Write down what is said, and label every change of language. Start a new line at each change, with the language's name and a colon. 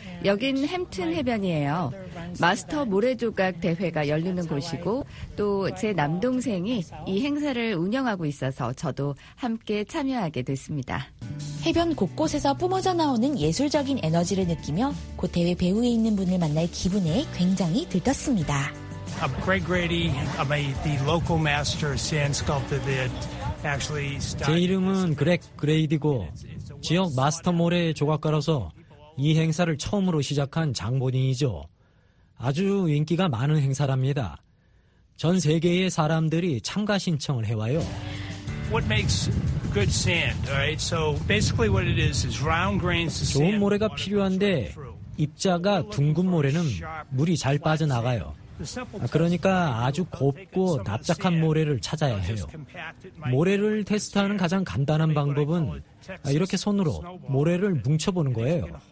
Korean: 여긴 햄튼 해변이에요. 마스터 모래조각 대회가 열리는 곳이고 또 제 남동생이 이 행사를 운영하고 있어서 저도 함께 참여하게 됐습니다. 해변 곳곳에서 뿜어져 나오는 예술적인 에너지를 느끼며 곧 대회 배후에 있는 분을 만날 기분에 굉장히 들떴습니다.
English: I'm Greg Grady. I'm the local master sand sculptor that actually started.
Korean: 제 이름은 그렉 그레이디고 지역 마스터 모래 조각가로서 이 행사를 처음으로 시작한 장본인이죠. 아주 인기가 많은 행사랍니다. 전 세계의 사람들이 참가 신청을 해와요.
English: What makes good sand, right? So basically what it is round grains of sand.
Korean: 좋은 모래가 필요한데 입자가 둥근 모래는 물이 잘 빠져나가요. 그러니까 아주 곱고 납작한 모래를 찾아야 해요. 모래를 테스트하는 가장 간단한 방법은 이렇게 손으로 모래를 뭉쳐보는 거예요.